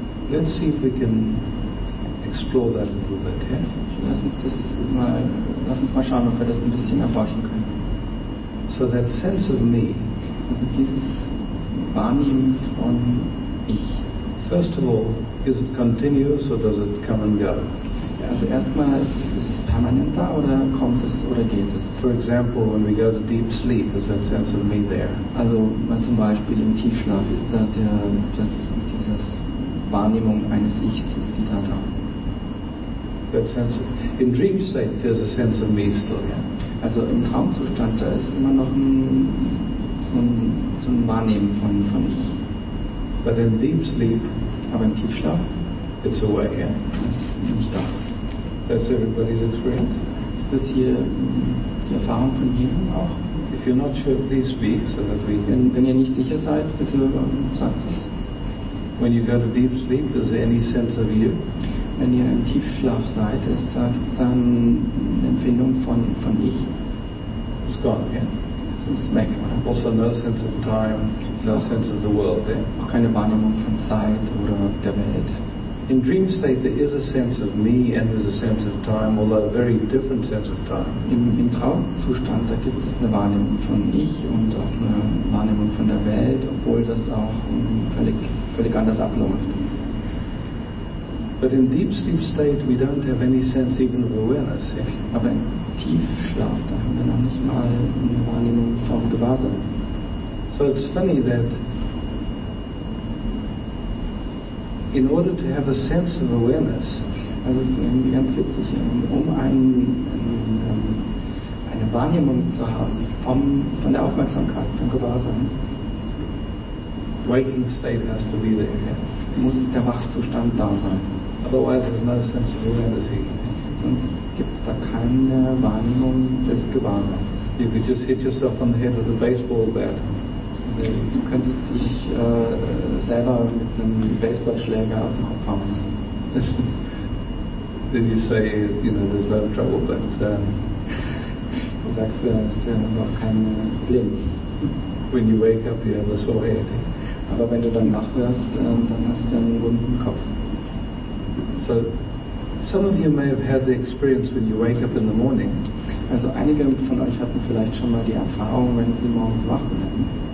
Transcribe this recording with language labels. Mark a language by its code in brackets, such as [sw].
[en] Let's see if we can explore that a little bit. Yeah? [de] Lass uns mal schauen, ob wir das ein bisschen erforschen können. [en] So that sense of me, [de] also dieses Wahrnehmen von ich. [en] First of all, is it continuous or does it come and go? [de] Also erstmal, ist es permanent da oder kommt es oder geht es? [en] For example, when we go to deep sleep, is that sense of me there? [de] Also mal zum Beispiel im Tiefschlaf, ist da dieses Wahrnehmung eines Ichs, ist die da. [en] That sense of, in dream state there's a sense of me still, yeah. [de] Also im Traumzustand, da ist immer noch so ein Wahrnehmen von ich. [en] But in deep sleep, [de] aber im Tiefschlaf, [en] it's away, yeah. [de] Das ist nämlich da. [en] That's everybody's experience. [de] Ist das hier die Erfahrung von jedem auch? [en] If you're not sure, please speak so that we can. [de] Wenn ihr nicht sicher seid, bitte sagt es. [en] When you go to deep sleep, is there any sense of you? [de] Wenn ihr im Tiefschlaf seid, ist da eine Empfindung von ich? [en] It's gone, yeah. Also no sense of time, no sense of the world. Yeah? [de] Auch keine Wahrnehmung von Zeit oder der Welt. [en] In dream state there is a sense of me and there's a sense of time, although a very different sense of time. [de] Im Traumzustand da gibt es eine Wahrnehmung von ich und auch eine Wahrnehmung von der Welt, obwohl das auch völlig anders abläuft. [en] But in deep sleep state we don't have any sense even of awareness. Yeah? [de] Aber im Tiefschlaf da haben wir noch nicht mal eine Wahrnehmung vom Gewahrsein. [en] So it's funny that in order to have a sense of awareness, [de] also es ist irgendwie ganz witzig, eine Wahrnehmung zu haben von der Aufmerksamkeit, vom Gewahrsein. [en] Waking state has to be there. Yeah? [de] Muss der Wachzustand da sein. [en] Otherwise there's no sense of awareness. [de] Sonst gibt es da keine Wahrnehmung des Gewahrseins. [en] You could just hit yourself on the head with a baseball bat. [de] Du könntest dich selber mit einem Baseballschläger auf den Kopf hauen. [en] Then you say, you know, there's no trouble, but [de] du sagst, es ist ja noch kein Problem. [en] When you wake up, you have a sore head. [de] Aber wenn du dann wach wirst, dann hast du einen runden Kopf. [en] So, some of you may have had the experience when you wake up in the morning. [de] Also einige von euch hatten vielleicht schon mal die Erfahrung, wenn sie morgens wach werden.